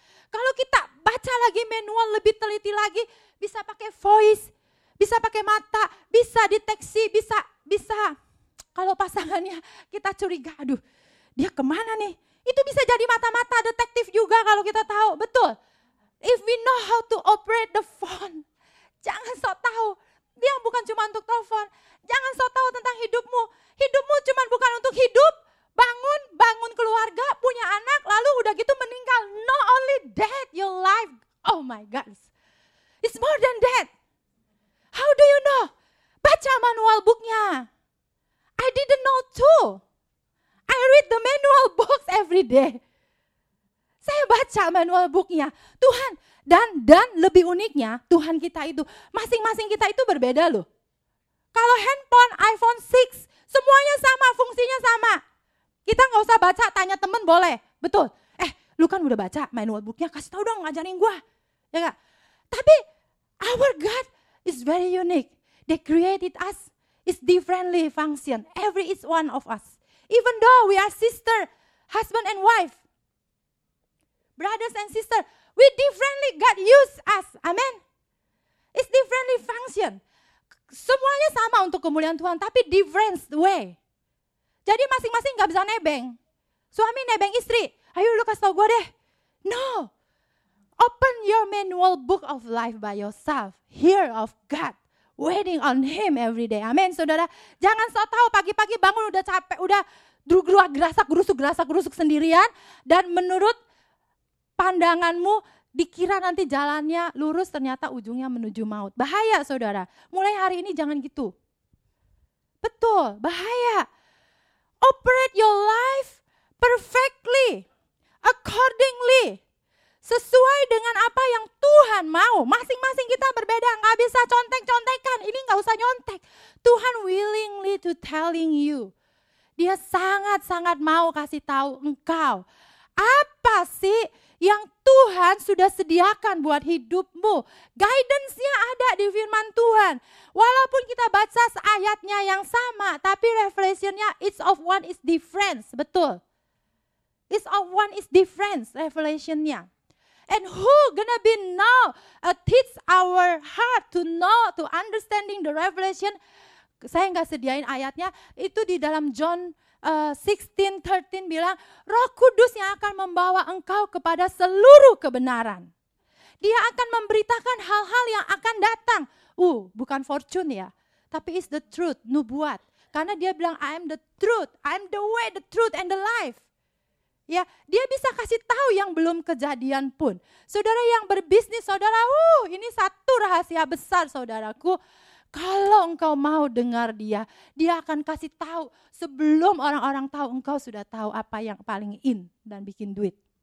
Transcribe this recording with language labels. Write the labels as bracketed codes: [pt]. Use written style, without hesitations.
[id] Kalau kita baca lagi manual, lebih teliti lagi, bisa pakai voice, bisa pakai mata, bisa deteksi, bisa kalau pasangannya kita curiga, aduh dia kemana nih, itu bisa jadi mata-mata detektif juga kalau kita tahu, betul. [en] If we know how to operate the phone, [id] jangan sok tahu, dia bukan cuma untuk telepon. Jangan sok tahu tentang hidupmu. Hidupmu cuma bukan untuk hidup, bangun keluarga, punya anak, lalu udah gitu meninggal. [en] Not only that, your life, oh my God, it's more than that. How do you know? [id] Baca manual book-nya. [en] I didn't know too. I read the manual books every day. [id] Saya baca manual book-nya. Tuhan, dan lebih uniknya, Tuhan kita itu, masing-masing kita itu berbeda loh. Kalau handphone, iPhone 6, semuanya sama, fungsinya sama. Kita gak usah baca, tanya temen boleh, betul. Lu kan udah baca [en] manual book- [id] nya, kasih tau dong, ngajarin gue. Ya gak? [en] Tapi, our God is very unique. They created us, is differently function, every is one of us. Even though we are sister, husband and wife, brothers and sister, we differently God use us. Amen. It's differently function. [id] Semuanya sama untuk kemuliaan Tuhan, tapi [en] different way. [id] Jadi masing-masing gak bisa nebeng. Suami nebeng istri. Ayo lu kasih tau gue deh. [en] No. Open your manual book of life by yourself. Hear of God. Waiting on him every day. [id] Amen, saudara. Jangan sok tahu pagi-pagi bangun udah capek, udah gerasak-gerusuk sendirian, dan menurut pandanganmu, dikira nanti jalannya lurus, ternyata ujungnya menuju maut. Bahaya, saudara. Mulai hari ini jangan gitu. Betul, bahaya. [en] Operate your life perfectly, accordingly. [id] Sesuai dengan apa yang Tuhan mau. Masing-masing kita berbeda, gak bisa contek-contekan. Ini gak usah nyontek. [en] Tuhan willingly to telling you. [id] Dia sangat-sangat mau kasih tahu engkau. Apa sih yang Tuhan sudah sediakan buat hidupmu? Guidance-nya ada di firman Tuhan. Walaupun kita baca ayatnya yang sama, tapi revelation-nya [en] each of one is different, [id] betul? [en] Each of one is different revelation-nya. And who gonna be now teach our heart to know, to understanding the revelation? [id] Saya enggak sediain ayatnya, itu di dalam John 16:13 bilang, Roh Kudus yang akan membawa engkau kepada seluruh kebenaran. Dia akan memberitakan hal-hal yang akan datang. Bukan fortune ya, tapi [en] it's the truth, [id] nubuat. Karena dia bilang, [en] I am the truth, I am the way, the truth, and the life. [id] Ya, dia bisa kasih tahu yang belum kejadian pun. Saudara yang berbisnis, saudara, ini satu rahasia besar, saudaraku. Kalau engkau mau dengar dia, dia akan kasih tahu sebelum orang-orang tahu, engkau sudah tahu apa yang paling in dan bikin duit.